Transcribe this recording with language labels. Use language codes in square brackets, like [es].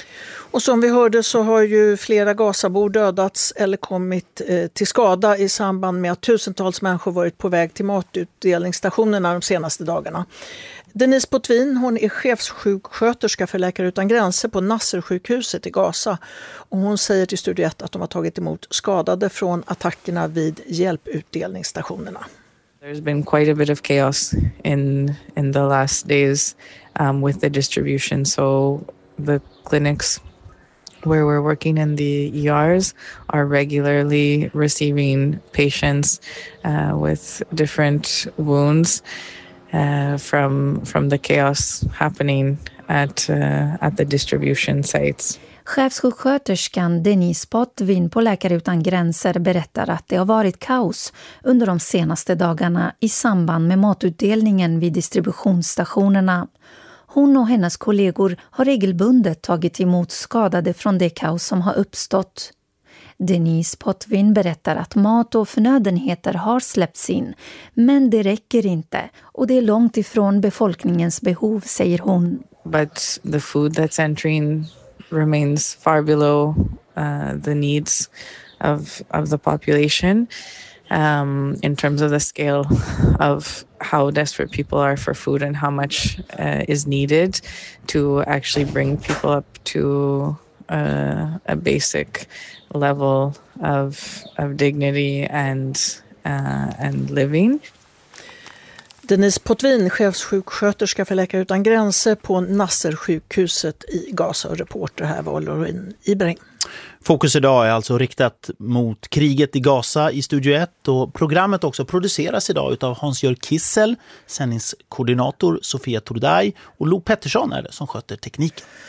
[sv] Och som vi hörde så har ju flera Gazabor dödats eller kommit till skada i samband med att tusentals människor varit på väg till matutdelningsstationerna de senaste dagarna. Denise Potvin, hon är chefssjuksköterska för Läkare utan gränser på Nasser-sjukhuset i Gaza. Och hon säger till Studio 1 att de har tagit emot skadade från attackerna vid hjälputdelningsstationerna. [en] There's been quite a bit of chaos in the last days with the distribution. So the clinics where we're working in the ERs are regularly receiving patients with different wounds from the chaos happening at the distribution sites. [sv] Chefssjuksköterskan Denise Potvin på Läkare utan gränser berättar att det har varit kaos under de senaste dagarna i samband med matutdelningen vid distributionsstationerna. Hon och hennes kollegor har regelbundet tagit emot skadade från det kaos som har uppstått. Denise Potvin berättar att mat och förnödenheter har släppts in, men det räcker inte och det är långt ifrån befolkningens behov, säger hon. [en] But the food that's entering remains far below the needs of the population in terms of the scale of how desperate people are for food and how much is needed to actually bring people up to a basic level of dignity and living. [sv] Denise Potvin, chefssjuksköterska för Läkare utan gränser på Nasser-sjukhuset i Gaza. Reporter här var Lorin Ibring. Fokus idag är alltså riktat mot kriget i Gaza i Studio 1. Och programmet också produceras idag av Hans-Jörg Kissel, sändningskoordinator Sofia Tordaj och Lo Pettersson är det som sköter tekniken.